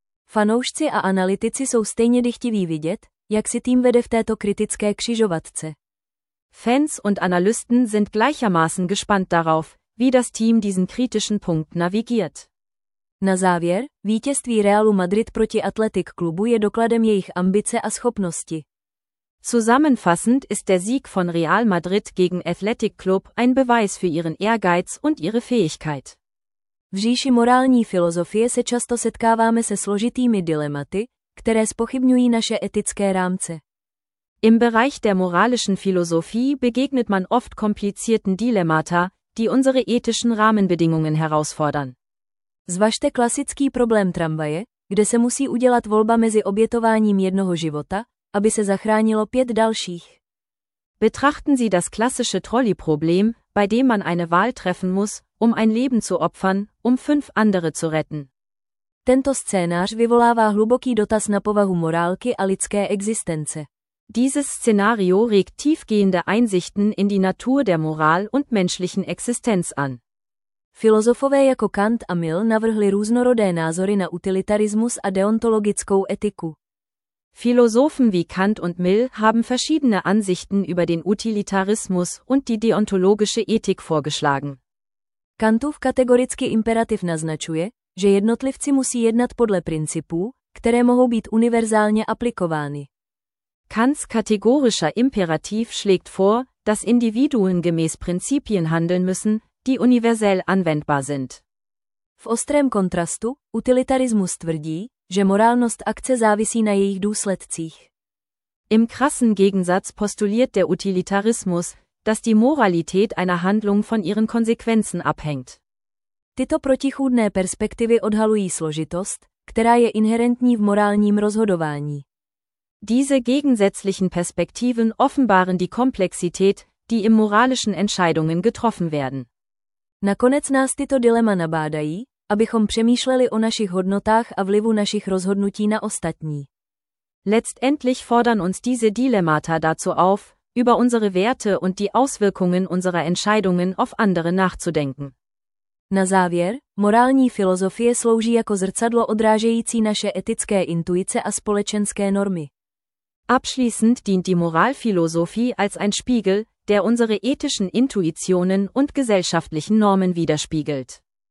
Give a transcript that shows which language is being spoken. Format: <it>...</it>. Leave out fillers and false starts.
<cs>Fanoušci a analytici jsou stejně dychtiví vidět, jak si tým vede v této kritické křižovatce.</cs> <de>Fans und Analysten sind gleichermaßen gespannt darauf, wie das Team diesen kritischen Punkt navigiert.</de> <cs>Na závěr, vítězství Realu Madrid proti Athletic Clubu je dokladem jejich ambice a schopnosti.</cs> <de>Zusammenfassend ist der Sieg von Real Madrid gegen Athletic Club ein Beweis für ihren Ehrgeiz und ihre Fähigkeit.</de> <cs>V říši morální filozofie se často setkáváme se složitými dilematy, které zpochybňují naše etické rámce.</cs> <de>Im Bereich der moralischen Philosophie begegnet man oft komplizierten Dilemmata, die unsere ethischen Rahmenbedingungen herausfordern.</de> <cs>Zvažte klasický problém tramvaje, kde se musí udělat volba mezi obětováním jednoho života, aby se zachránilo pět dalších.</cs> <de>Betrachten Sie das klassische Trolley-Problem, bei dem man eine Wahl treffen muss, um ein Leben zu opfern, um fünf andere zu retten.</de> <cs>Tento scénář vyvolává hluboký dotaz na povahu morálky a lidské existence.</cs> <de>Dieses Szenario regt tiefgehende Einsichten in die Natur der Moral und menschlichen Existenz an.</de> <cs>Filozofové jako Kant a Mill navrhli různorodé názory na utilitarismus a deontologickou etiku.</cs> <de>Philosophen wie Kant und Mill haben verschiedene Ansichten über den Utilitarismus und die deontologische Ethik vorgeschlagen.</de> <cs>Kantův kategorický imperativ naznačuje, že jednotlivci musí jednat podle principů, které mohou být univerzálně aplikovány.</cs> <de>Kants kategorischer Imperativ schlägt vor, dass Individuen gemäß Prinzipien handeln müssen, die universell anwendbar sind.</de> <cs>V ostrém kontrastu, Utilitarismus tvrdí, že morálnost akce závisí na jejich důsledcích.</cs> <de>Im krassen Gegensatz postuliert der Utilitarismus, dass die Moralität einer Handlung von ihren Konsequenzen abhängt.</de> <cs>Tyto protichůdné perspektivy odhalují složitost, která je inherentní v morálním rozhodování.</cs> <de>Diese gegensätzlichen Perspektiven offenbaren die Komplexität, die im moralischen Entscheidungen getroffen werden.</de> <cs>Nakonec nás tyto dilema nabádají, abychom přemýšleli o našich hodnotách a vlivu našich rozhodnutí na ostatní.</cs> <de>Letztendlich fordern uns diese Dilemmata dazu auf, über unsere Werte und die Auswirkungen unserer Entscheidungen auf andere nachzudenken.</de> <cs>Na závěr, morální filozofie slouží jako zrcadlo odrážející naše etické intuice a společenské normy.</cs> <de>Abschließend dient die Moralphilosophie als ein Spiegel, der unsere ethischen Intuitionen und gesellschaftlichen Normen widerspiegelt.</de>